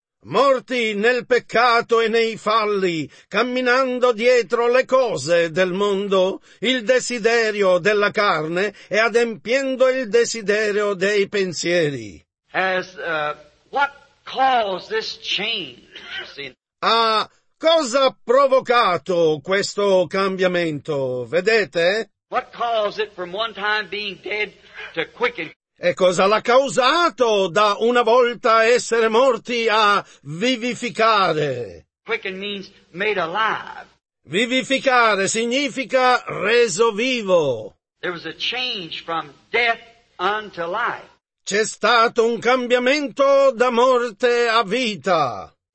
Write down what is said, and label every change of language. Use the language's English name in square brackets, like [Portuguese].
[Italian] Morti nel peccato e nei falli, camminando dietro le cose del mondo, il desiderio della carne e adempiendo il desiderio dei pensieri. [English] What caused this change, you see? [Italian] Cosa ha provocato questo cambiamento? Vedete? [English] What caused it from one time being dead to quicken? [Italian] E cosa l'ha causato da una volta essere morti a vivificare? [English] Quicken means made alive. [Italian] Vivificare significa reso vivo. [English] There was a change from death unto life. [Italian] C'è stato un cambiamento da morte a vita.